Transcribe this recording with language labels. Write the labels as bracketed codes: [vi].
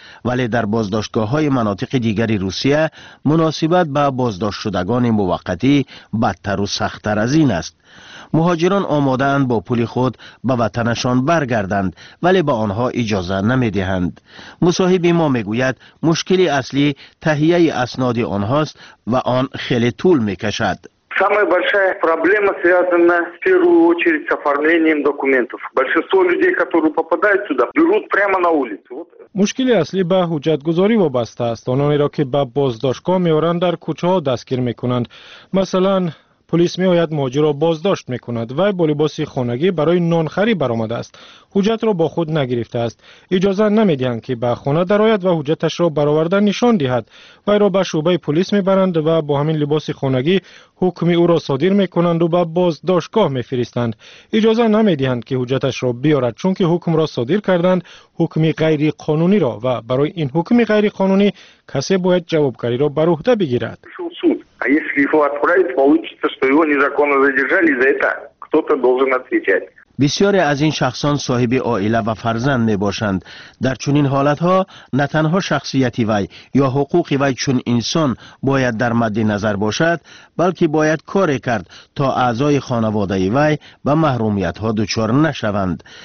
[fa] ولی در بازداشتگاه های مناطق دیگری روسیه مناسبت به بازداشت شدگان موقتی بدتر و سختر از این است. مهاجران آماده اند با پول خود به وطنشان برگردند، ولی به آنها اجازه نمی دهند. مصاحب ما می گوید مشکل اصلی تهیه اسناد آنهاست و آن خیلی طول می کشد. [ru] Самая большая проблема связана в первую очередь с оформлением документов. Большинство людей, которые попадают сюда, берут прямо на улицу. [tg] Мушкили асли ба худжатгузори вобаста аст. Ононеро ки ба боздошко меоранд дар кучао дастгир мекунанд. [fa] Масалан پلیس می آید مهاجر را بازداشت می کند و با لباس خانگی برای نانخری برآمده است. حجت را با خود نگرفته است. اجازه نمی دهند که به خانه درآید و حجتش را برآورده نشان دهد. وی را به شعبه پلیس می برند و با همین لباس خانگی حکم او را صادر می کنند و به بازداشتگاه می فرستند. اجازه نمی دهند که حجتش را بیارد، چون که حکم را صادر کردند، حکم غیر قانونی را، و برای این حکم غیر قانونی کسی باید جوابگری را بر عهده بگیرد. [ru] А если его отправить, получится, что его незаконно задержали, за это кто-то должен отвечать. [fa] بسیاری از این شخصان صاحب عائله و فرزند می باشند. در چنین حالتها نه تنها شخصیتی وی یا حقوق وی چون انسان باید در مد نظر باشد، بلکه باید کاری کرد تا اعضای خانواده وی به محرومیت ها دچار نشوند.